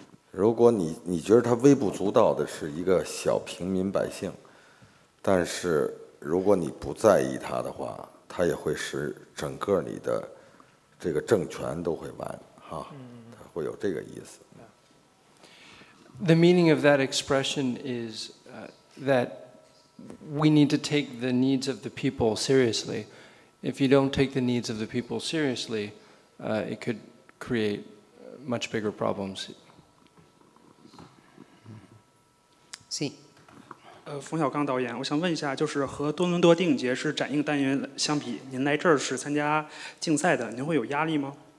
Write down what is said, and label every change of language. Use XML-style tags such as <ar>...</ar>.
<zh>如果你觉得他微不足道的是一个小平民百姓，但是如果你不在意他的话，他也会使整个你的这个政权都会完哈，他会有这个意思。</zh> <en>The meaning of that expression is that we need to take the needs of the people seriously. If you don't take the needs of the people seriously, it could create much bigger problems.</en> <es>Sí.</es> <zh>冯小刚导演，我想问一下，就是和多伦多电影节是展映单元相比，您来这儿是参加竞赛的，您会有压力吗？</zh>